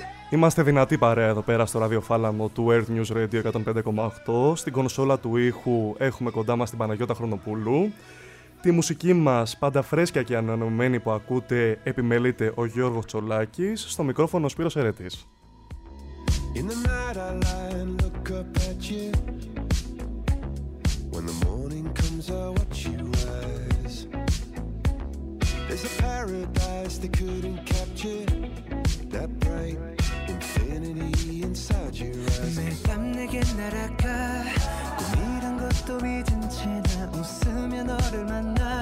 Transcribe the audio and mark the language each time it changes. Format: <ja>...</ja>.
<el>Είμαστε δυνατοί παρέα εδώ πέρα στο ραδιοφάλαμο του Earth News Radio 105,8. Στην κονσόλα του ήχου έχουμε κοντά μας την Παναγιώτα Χρονοπούλου. τη μουσική μας πάντα φρέσκια και ανανεωμένη που ακούτε επιμελείται ο Γιώργος Τσολάκης, στο μικρόφωνο ο Σπύρος Ερέτης.</el> <en>In the night I lie and look up at you. When the morning comes I watch you rise. There's a paradise they couldn't capture. That bright infinity inside your eyes.</en> <ko>매일 밤 내게 날아가 꿈이란 것도 믿은 채 나 웃으며 너를 만나.</ko>